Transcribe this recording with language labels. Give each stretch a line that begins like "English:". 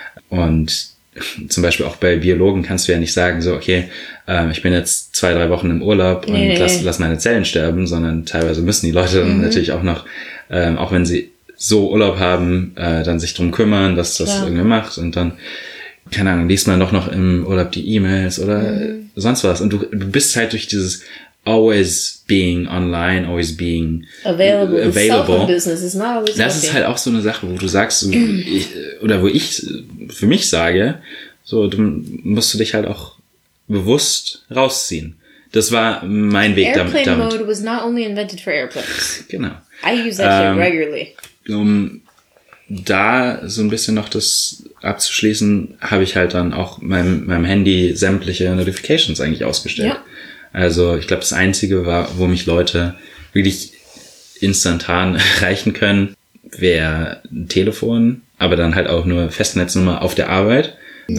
German: und zum Beispiel auch bei Biologen kannst du ja nicht sagen, so okay, ich bin jetzt 2-3 Wochen im Urlaub und lass meine Zellen sterben, sondern teilweise müssen die Leute dann natürlich auch noch, auch wenn sie so Urlaub haben, dann sich drum kümmern, dass das irgendwie macht, und dann, keine Ahnung, liest man doch noch im Urlaub die E-Mails oder sonst was, und du bist halt durch dieses
English: always being online, always being available. Business is not always
German: Ist halt auch so eine Sache, wo du sagst, wo ich für mich sage, so, du musst du dich halt auch bewusst rausziehen. Das war mein Weg
English: airplane
German: damit.
English: Airplane mode was not only invented for airplanes.
German: Genau.
English: I use that shit regularly.
German: Um da so ein bisschen noch das abzuschließen, habe ich halt dann auch meinem Handy sämtliche Notifications eigentlich ausgestellt. Yep. Also ich glaube, das Einzige war, wo mich Leute wirklich instantan erreichen können, wäre ein Telefon, aber dann halt auch nur Festnetznummer auf der Arbeit. Ja.